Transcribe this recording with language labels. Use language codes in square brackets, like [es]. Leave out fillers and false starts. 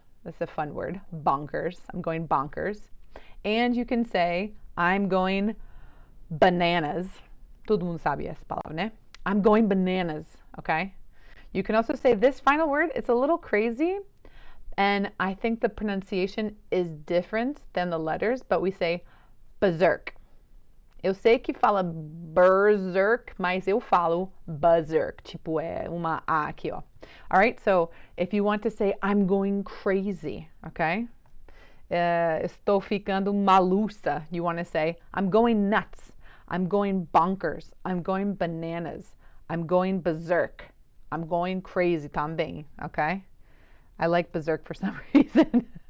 [en] That's a fun word, bonkers. I'm going bonkers. And you can say, I'm going bananas. [pt] Todo mundo sabe essa palavra, né? [en] I'm going bananas, okay? You can also say this final word. It's a little crazy, and I think the pronunciation is different than the letters, but we say berserk. [pt] Eu sei que fala berserk, mas eu falo berserk. Tipo, é uma A aqui, ó. [en] All right, so if you want to say, I'm going crazy, okay? [pt] Estou ficando maluça. [en] You want to say, I'm going nuts. I'm going bonkers. I'm going bananas. I'm going berserk. I'm going crazy também, okay? I like berserk for some reason.